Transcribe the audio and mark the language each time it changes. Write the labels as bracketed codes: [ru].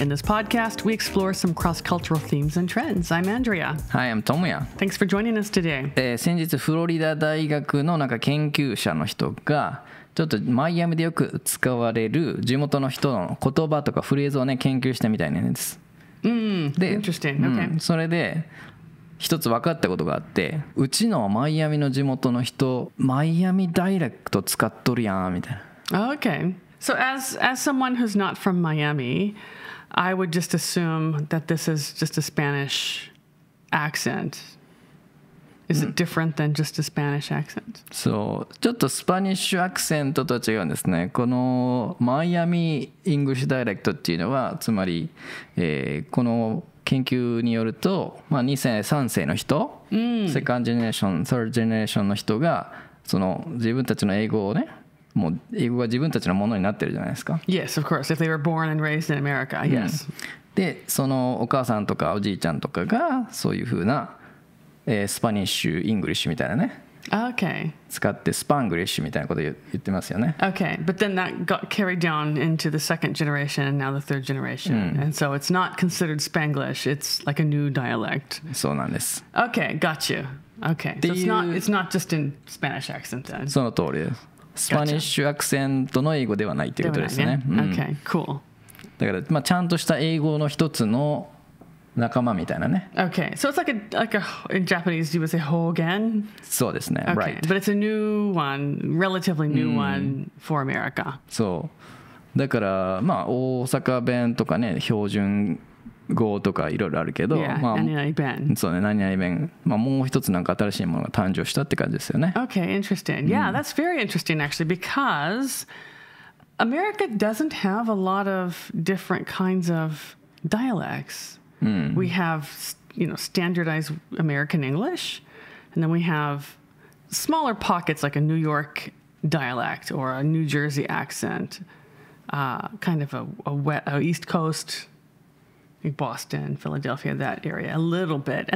[en] In this podcast, we explore some cross-cultural themes and trends. I'm Andrea. Hi, I'm Tomoya. Thanks for joining us today. [ja] 先日フロリダ大学のなんか研究者の人がちょっとマイアミでよく使われる地元の人の言葉とかフレーズをね研究したみたいなんです。 [en] Interesting. Okay. [ja] それで一つ分かったことがあって、うちのマイアミの地元の人マイアミダイレクト使っとるやんみたいな。 [en] Okay. So as someone who's not from Miami, I would just assume that this is just a Spanish accent. Is it different than just a Spanish accent? [ja] そう、ちょっとスパニッシュアクセントとは違うんですね。このマイアミイングリッシュダイレクトっていうのはつまり、この研究によると、まあ、2世3世の人、セカンドジェネレーション、サードジェネレーションの人がその自分たちの英語をね、もう英語が自分たちのものになってるじゃないですか。 [en] Yes, of course. If they were born and raised in America, yes. [ja] で、そのお母さんとかおじいちゃんとかがそういう風な、スパニッシュ、イングリッシュみたいなね、 [en] okay. [ja] 使ってスパングリッシュみたいなこと言ってますよね。 [en] Okay, but then that got carried down into the second generation and now the third generation. And so it's not considered Spanglish, it's like a new dialect. [ja] そうなんです。 [en] Okay, got you. Okay, so it's not just in Spanish accent then. [ja] その通りです。スパニッシュアクセントの英語ではないということですね。 [en] Okay, cool. [ja] だから、まあ、ちゃんとした英語の一つの仲間みたいなね。 [en] Okay, so it's like a, in Japanese you would say 方言? [ja] そうですね、 [en] okay. right. But it's a new one, relatively new one for America. [ja] そう。だから、まあ、大阪弁とかね、標準語とかいろいろあるけど、 yeah, まあ、何々弁。そうね、何々弁。まあ、もう一つなんか新しいものが誕生したって感じですよね。 [en] Okay, interesting. Yeah, that's very interesting actually, because America doesn't have a lot of different kinds of dialects. We have, you know, standardized American English, and then we have smaller pockets like a New York dialect or a New Jersey accent, kind of a East Coast, like Boston, Philadelphia, that area, a little bit.